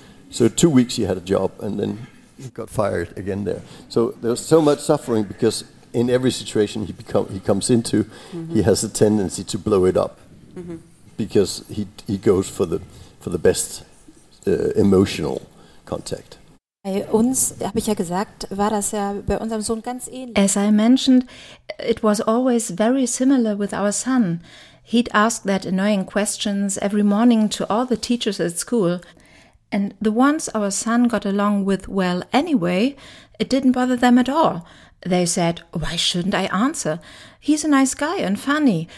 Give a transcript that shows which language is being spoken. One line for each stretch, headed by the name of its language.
English: So 2 weeks he had a job, and then he got fired again there. So there was so much suffering because in every situation he comes into, mm-hmm. he has a tendency to blow it up, mm-hmm. because he goes for the best emotional contact.
German: Bei uns, habe ich ja gesagt, war das ja bei unserem Sohn ganz ähnlich.
English: As I mentioned, it was always very similar with our son. He'd ask that annoying questions every morning to all the teachers at school. And the ones our son got along with well anyway, it didn't bother them at all. They said, why shouldn't I answer? He's a nice guy and funny.